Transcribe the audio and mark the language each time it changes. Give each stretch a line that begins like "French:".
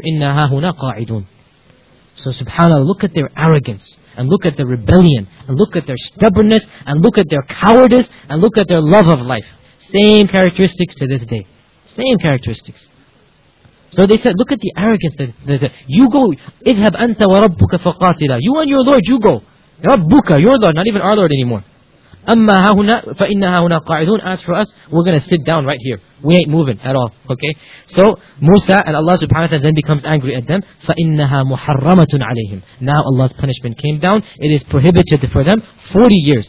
Arabic: إِنَّا هَهُنَا قَاعِدُونَ.
English: So subhanAllah, look at their arrogance, and look at their rebellion, and look at their stubbornness, and look at their cowardice, and look at their love of life. Same characteristics to this day. Same characteristics. So they said, look at the arrogance. You go,
Arabic: اذهب أنت وربك فقاتلا.
English: You and your Lord, you go.
Arabic: ربُكَ,
English: your Lord, not even our Lord anymore.
Arabic: أَمَّا هَهُنَا فَإِنَّ هَهُنَا قَاعِدُونَ.
English: As for us, we're going to sit down right here. We ain't moving at all. Okay? So, Musa and Allah subhanahu wa ta'ala then becomes angry at them.
Arabic: فَإِنَّهَا مُحَرَّمَةٌ عَلَيْهِمْ.
English: Now Allah's punishment came down. It is prohibited for them 40 years.